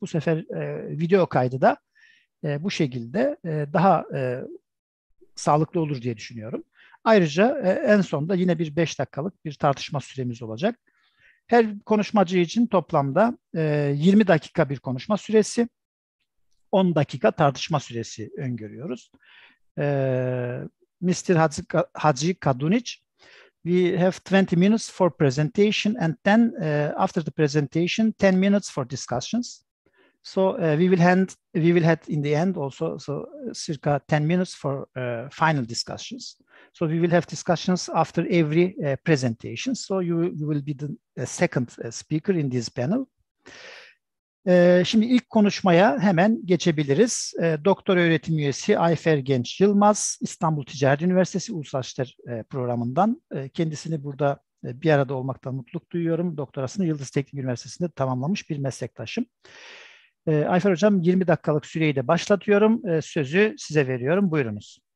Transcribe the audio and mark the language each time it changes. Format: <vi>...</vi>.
<tr>Bu sefer video kaydı da bu şekilde daha sağlıklı olur diye düşünüyorum. Ayrıca en sonunda yine bir 5 dakikalık bir tartışma süremiz olacak. Her konuşmacı için toplamda 20 dakika bir konuşma süresi, 10 dakika tartışma süresi öngörüyoruz.</tr> <en>Mr. Hacı Kadunic, we have 20 minutes for presentation and then after the presentation 10 minutes for discussions. So we will have in the end also circa 10 minutes for final discussions. So we will have discussions after every presentation. So you will be the second speaker in this panel.</en> <tr>Şimdi ilk konuşmaya hemen geçebiliriz. Doktor öğretim üyesi Ayfer Genç Yılmaz, İstanbul Ticaret Üniversitesi Uluslararası İşler Programı'ndan. Kendisini burada bir arada olmaktan mutluluk duyuyorum. Doktorasını Yıldız Teknik Üniversitesi'nde tamamlamış bir meslektaşım. Ayfer Hocam, 20 dakikalık süreyi de başlatıyorum. Sözü size veriyorum. Buyurunuz.</tr>